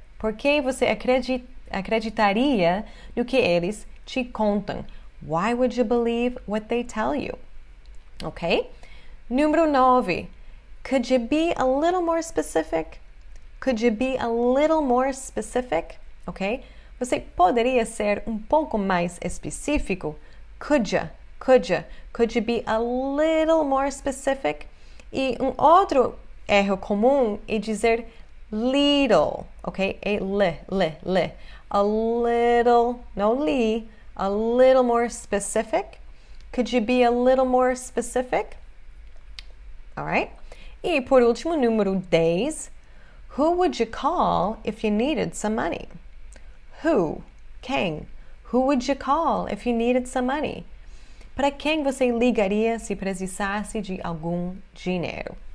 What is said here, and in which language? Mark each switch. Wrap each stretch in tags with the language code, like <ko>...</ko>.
<pt>Por que você acreditaria no que eles te contam.</pt> <en>Why would you believe what they tell you? Ok?</en> <pt>Número 9.</pt> <en>Could you be a little more specific? Could you be a little more specific? Ok?</en> <pt>Você poderia ser um pouco mais específico?</pt> <en>Could you? Could you? Could you be a little more specific?</en> <pt>E um outro erro comum é dizer little, ok?</pt> <en>É le. A little, no li, a little more specific. Could you be a little more specific? All right.</en> <pt>E por último, número 10.</pt> <en>Who would you call if you needed some money? Who?</en> <pt>Quem?</pt> <en>Who would you call if you needed some money?</en> <pt>Para quem você ligaria se precisasse de algum dinheiro?</pt>